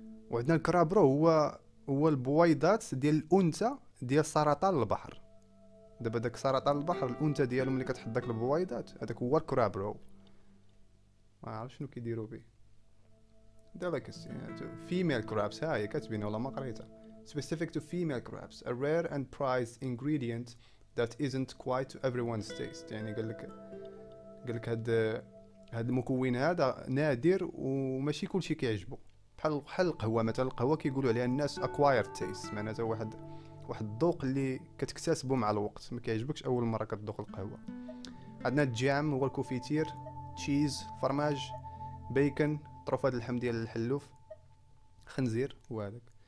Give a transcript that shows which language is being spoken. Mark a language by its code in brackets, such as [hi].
[ar] وعندنا الكرابرو هو البويضات ديال الانثى ديال سرطان البحر. دابا داك سرطان البحر الانثى ديالهم اللي كتحط داك البويضات، هذاك هو الكرابرو. ما عارف شنو كيديروا به. دابا كاسينات فيميل كرابس، هاي كاتبين ولا ما قريتها. [en] Specific to female crabs, a rare and prized ingredient that isn't quite to everyone's taste. [ar] يعني قال لك قال لك هاد المكون هذا نادر وماشي كلشي كيعجبو، بحال القهوه مثلا. القهوه كيقولوا عليها الناس اكواير تيست، معناتها واحد الذوق اللي كتكتسبو مع الوقت، ما كيعجبكش اول مره كتذوق القهوه. عندنا الجام هو الكوفيتير، تشيز، فرماج، بيكن، طرفات اللحم ديال الحلوف، خنزير، وهذاك.